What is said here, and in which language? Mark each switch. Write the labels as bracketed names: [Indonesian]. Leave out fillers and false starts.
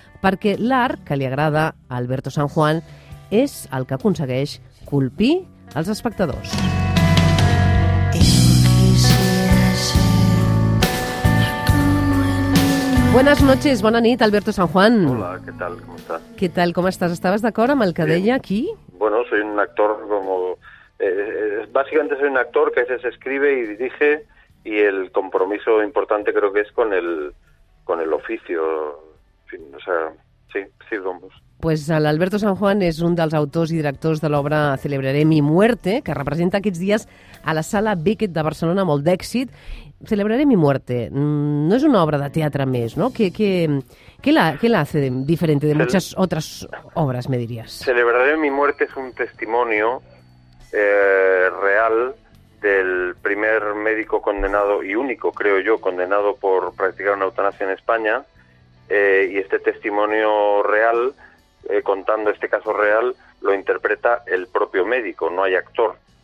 [Catalan] Perquè l'art que li agrada a Alberto San Juan és el que aconsegueix colpir els espectadors. [Spanish] Buenas noches, [Catalan] bona nit, [Spanish] Alberto San Juan. [Catalan] Hola, què tal, com estàs? Què tal, com estàs? Estaves d'acord amb el que deia aquí? [Spanish] Bueno, soy un actor como... básicamente soy un actor que a veces escribe y dirige, y el compromiso importante creo que es con el oficio, en fin, o sea, sí, vamos. [Catalan] Pues Alberto San Juan és un dels autors i directors de l'obra Celebraré mi muerte, que representa aquests dies a la Sala Beckett de Barcelona, molt d'èxit. Celebraré mi muerte no és una obra de teatre més, no? [Spanish] ¿Qué la hace diferente de muchas otras obras, me dirías? Celebraré mi muerte es un testimonio real del primer médico condenado y único, creo yo, condenado por practicar una eutanasia en España, y este testimonio real, contando este caso real, lo interpreta el propio médico, no hay actor.